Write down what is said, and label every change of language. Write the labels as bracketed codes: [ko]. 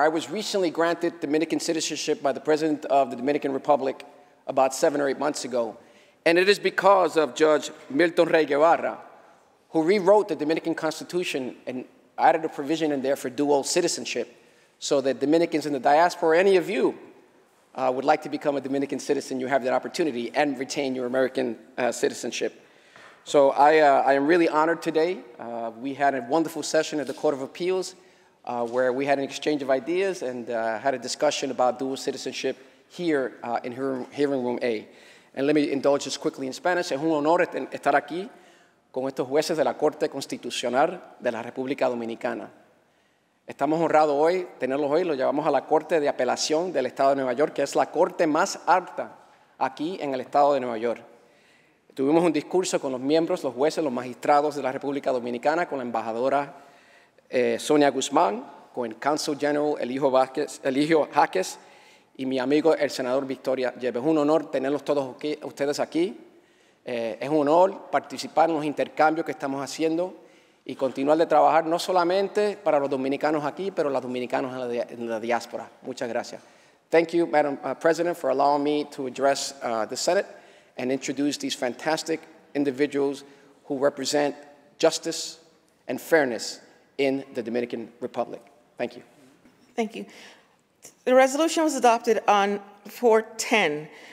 [en] I was recently granted Dominican citizenship by the President of the Dominican Republic about 7 or 8 months ago, and it is because of Judge Milton Rey Guevara, who rewrote the Dominican Constitution and added a provision in there for dual citizenship so that Dominicans in the diaspora, any of you, would like to become a Dominican citizen, you have that opportunity and retain your American citizenship. So I am really honored today. We had a wonderful session at the Court of Appeals where we had an exchange of ideas and had a discussion about dual citizenship here in Hearing Room A. And let me indulge just quickly in Spanish. [es] Es un honor estar aquí con estos jueces de la Corte Constitucional de la República Dominicana. Estamos honrados hoy, tenerlos hoy, los llevamos a la Corte de Apelación del Estado de Nueva York, que es la corte más alta aquí en el Estado de Nueva York. Tuvimos un discurso con los miembros, los jueces, los magistrados de la República Dominicana, con la embajadora Sonia Guzmán, con el Consul General Eligio Jaques, y mi amigo el senador Victoria Jeb. Es un honor tenerlos todos aquí, ustedes aquí. Es un honor participar en los intercambios que estamos haciendo y continuar de trabajar no solamente para los dominicanos aquí, pero los dominicanos en la diáspora. Muchas gracias. [en] Thank you, Madam President, for allowing me to address the Senate and introduce these fantastic individuals who represent justice and fairness in the Dominican Republic. Thank you. Thank you. The resolution was adopted on 4-10.